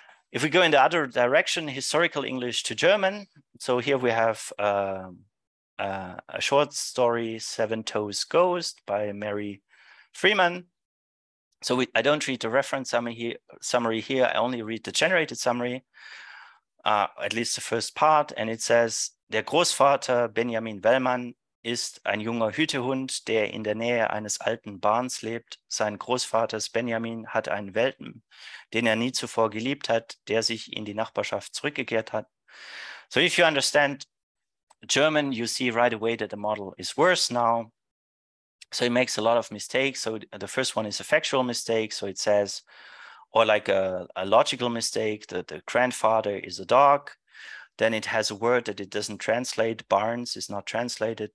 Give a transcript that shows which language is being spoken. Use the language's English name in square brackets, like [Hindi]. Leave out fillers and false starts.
[English] If we go in the other direction, historical English to German. So here we have a short story, Seven Toes Ghost by Mary Freeman. So I don't read the reference summary here. I only read the generated summary, at least the first part. And it says, [German] der Großvater Benjamin Wellmann ist ein junger Hütehund, der in der Nähe eines alten Barns lebt. Sein Großvaters Benjamin hat einen Welpen, den nie zuvor geliebt hat, der sich in die Nachbarschaft zurückgekehrt hat. [English] So if you understand German, you see right away that the model is worse now. So it makes a lot of mistakes. So the first one is a factual mistake. So it says, or like a logical mistake, that the grandfather is a dog. Then it has a word that it doesn't translate. Barns is not translated.